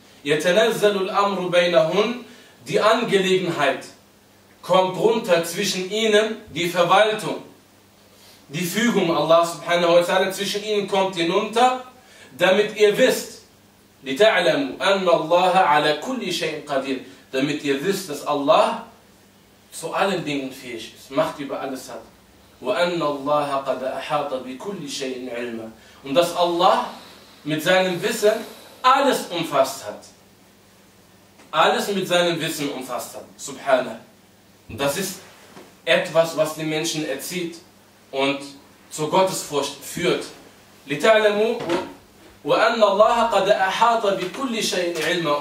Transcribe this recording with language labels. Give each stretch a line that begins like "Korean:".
Arabic: يتنزل الأمر بينهن,
German: die Angelegenheit kommt runter zwischen ihnen, die Verwaltung, die Fügung Allah subhanahu wa ta'ala zwischen ihnen kommt hinunter, damit ihr wisst,
Arabic: لتعلموا أن الله على كل شيء قدير,
German: damit ihr wisst, dass Allah zu allen Dingen fähig ist, Macht über alles hat.
Arabic: وأن الله قد أحاط بكل شيء علما.
German: Und dass Allah mit seinem Wissen alles umfasst hat. Alles mit seinem Wissen umfasst hat. Subhanallah. Und das ist etwas, was den Menschen erzieht und zur Gottesfurcht führt.
Arabic: لِتَعْلَمُوا وَأَنَّ اللَّهَ قَدْ أَحَاطَ بِكُلِّ شَيْءٍ عِلْمًا.